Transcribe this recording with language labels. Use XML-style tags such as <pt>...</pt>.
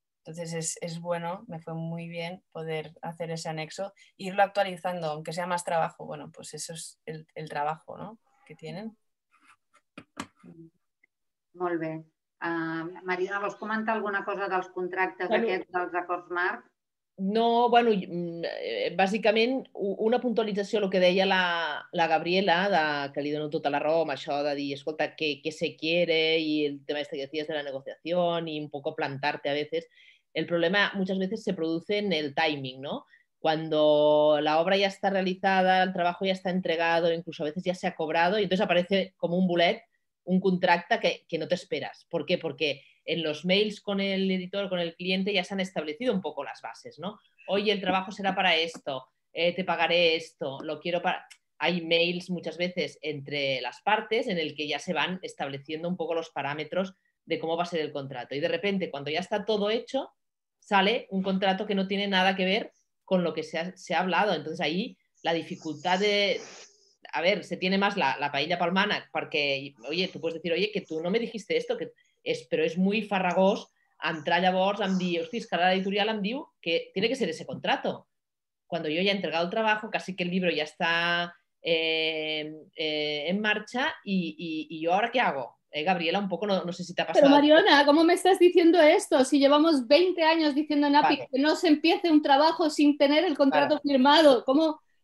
<es>Entonces es bueno, me fue muy bien poder hacer ese anexo, irlo actualizando, aunque sea más trabajo, bueno, pues eso es el trabajo, ¿no?, que tienen. Muy bien.</es> <ca>Marina, vols comentar alguna cosa dels contractes aquests, dels acords marc? No, bueno, bàsicament una puntualització, el que deia la Gabriela, que li dono tota la raó amb això de dir, escolta, què se quiere, i</ca> <es>el tema este que decías</es> <ca>de la negociació i</ca> <es>un poco plantarte a veces. El problema muchas veces se produce en el timing, ¿no? Cuando la obra ya está realizada, el trabajo ya está entregado, incluso a veces ya se ha cobrado, y entonces aparece como un bulet</es> <ca>un contracte que no t'esperes. Per què? Perquè en els mails</ca> <es>con el editor, con el cliente, ja s'han establecido un poco las bases, ¿no? Oye, el trabajo será para esto, te pagaré esto, lo quiero para... Hay mails muchas veces entre las partes en el que ya se van estableciendo un poco los parámetros de cómo va a ser el contrato. Y de repente, cuando ya está todo hecho, sale un contrato que no tiene nada que ver con lo que se ha hablado. Entonces, ahí la dificultad de...</es> <ca>A ver,</ca> <es>se tiene más la paella</es> <ca>pel mànec, perquè, oye, tu pots dir, oye,</ca> <es>que tu no me dijiste esto,</es> <ca>però és muy farragós entrar llavors en dir, hosti, és que ara l'editorial em diu que</ca> <es>tiene que ser ese contrato. Cuando yo ya he entregado el trabajo, casi que el libro ya está en marcha, y yo ahora qué hago? Gabriela, un poco no sé si te ha pasado. Pero Mariona, ¿cómo me estás diciendo esto? Si llevamos 20 años diciendo en API que no se empiece un trabajo sin tener el contrato firmado, ¿cómo...?</es>